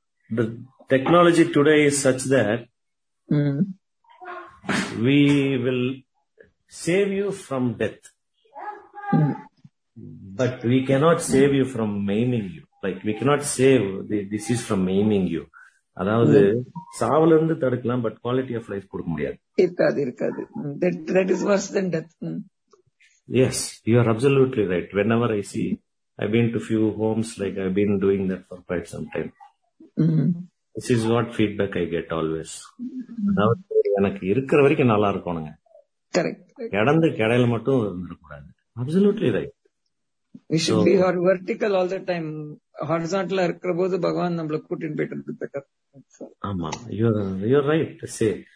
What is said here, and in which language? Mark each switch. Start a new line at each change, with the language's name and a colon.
English: The technology today is such that we will save you from death. But we cannot save you from maiming you. Like we cannot save the disease from maiming you.
Tamil: அதாவது சாவுல இருந்து தடுக்கலாம்
English: but quality of life
Tamil: கொடுக்க முடியாது. இருக்காது இருக்காது.
English: That is worse than death. Yes, you are absolutely right. Whenever I see, I've been to few homes, like I've been doing that for quite some time. This is what feedback I get always.
Tamil: எனக்கு இருக்கிற வரைக்கும் நல்லா இருக்கணுங்க.
English: Correct.
Tamil: கிடந்து கிடையில மட்டும் இருந்துடக்கூடாது.
English: Absolutely right. We should be vertical all the time.
Tamil: Horizontal இருக்கிற போது பகவான் நம்மள கூட்டின்னு போயிட்டு.
English: ஆமா, you are right to say.